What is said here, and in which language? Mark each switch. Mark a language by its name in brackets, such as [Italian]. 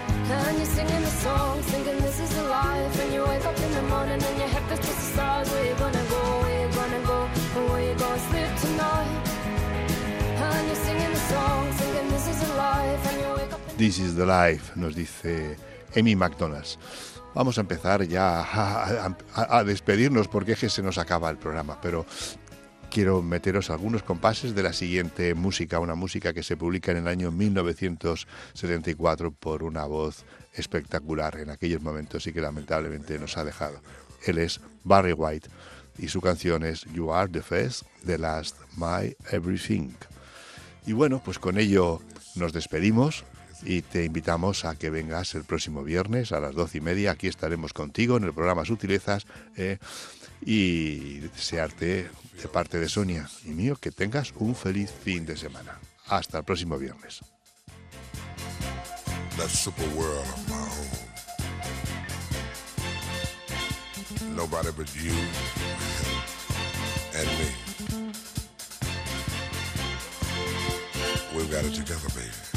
[English] And you're singing the song, thinking this is the life. And you wake up in the morning and your head is just the stars. Where you gonna go, where you gonna go, and where you gonna sleep tonight? And you're singing the song, thinking this is the life. And you wake up. This is the life, [Spanish] nos dice Amy McDonald. Vamos a empezar ya a despedirnos, porque es que se nos acaba el programa, pero quiero meteros algunos compases de la siguiente música, una música que se publica en el año 1974 por una voz espectacular en aquellos momentos y que lamentablemente nos ha dejado. Él es Barry White y su canción es You Are the First, the Last, My Everything. Y bueno, pues con ello nos despedimos. Y te invitamos a que vengas el próximo viernes a las 12:30. Aquí estaremos contigo en el programa Sutilezas. Y desearte, de parte de Sonia y mío, que tengas un feliz fin de semana. Hasta el próximo viernes. [English] That super world of my own. Nobody but you and me. We've got it together, baby.